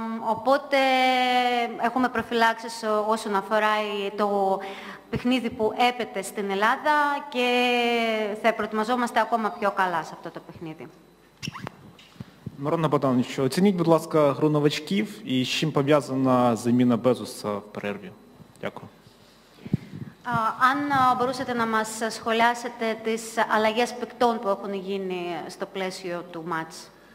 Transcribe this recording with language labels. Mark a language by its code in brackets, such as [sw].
[el] Οπότε έχουμε προφυλάξεις όσον αφορά το παιχνίδι που έπεται στην Ελλάδα και θα προετοιμαζόμαστε ακόμα πιο καλά σε αυτό το παιχνίδι. [uk] Марона Богдановича, оцініть, будь ласка, гру новачків і з чим пов'язана заміна Безуса в перерві. Дякую. [el] Αν μπορούσατε να μας σχολιάσετε τις αλλαγές παικτών που έχουν γίνει στο πλαίσιο του μάτς.